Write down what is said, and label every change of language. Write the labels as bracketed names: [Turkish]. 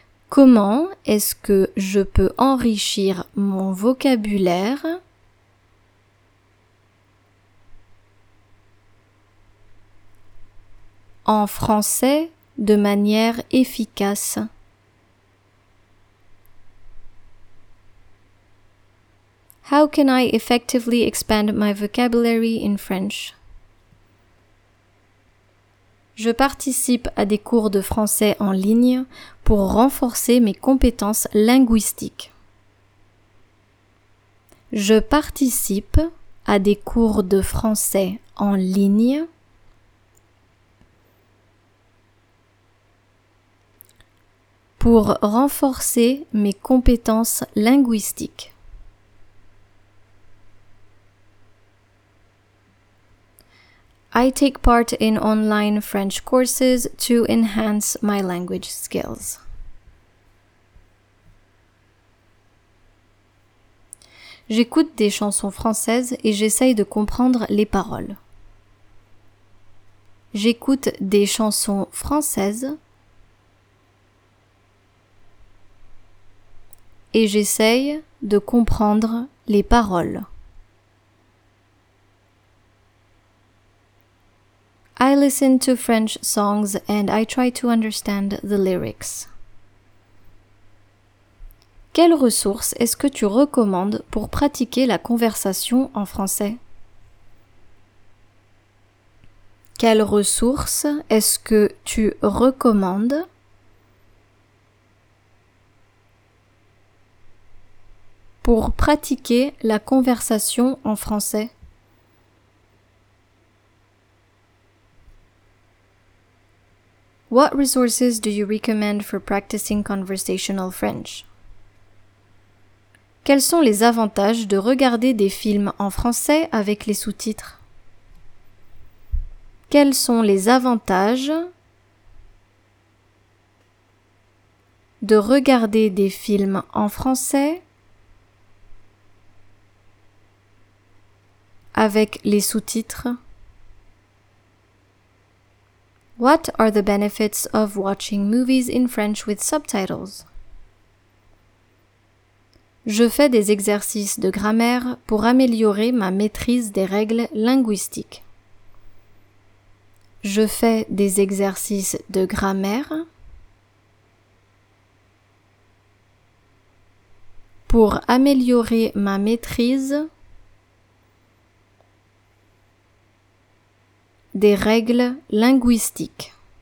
[French] Comment est-ce que je peux enrichir mon vocabulaire en français de manière efficace? [English] How can I effectively expand my vocabulary in French? [French] Je participe à des cours de français en ligne pour renforcer mes compétences linguistiques. Je participe à des cours de français en ligne pour renforcer mes compétences linguistiques. [English] I take part in online French courses to enhance my language skills. [French] J'écoute des chansons françaises et j'essaye de comprendre les paroles. J'écoute des chansons françaises et j'essaye de comprendre les paroles. [English] I listen to French songs and I try to understand the lyrics. [French] Quelles ressources est-ce que tu recommandes pour pratiquer la conversation en français? Quelles ressources est-ce que tu recommandes pour pratiquer la conversation en français? [English] What resources do you recommend for practicing conversational French? [French] Quels sont les avantages de regarder des films en français avec les sous-titres? Quels sont les avantages de regarder des films en français avec les sous-titres? [English] What are the benefits of watching movies in French with subtitles? [French] Je fais des exercices de grammaire pour améliorer ma maîtrise des règles linguistiques. Je fais des exercices de grammaire pour améliorer ma maîtrise des règles linguistiques.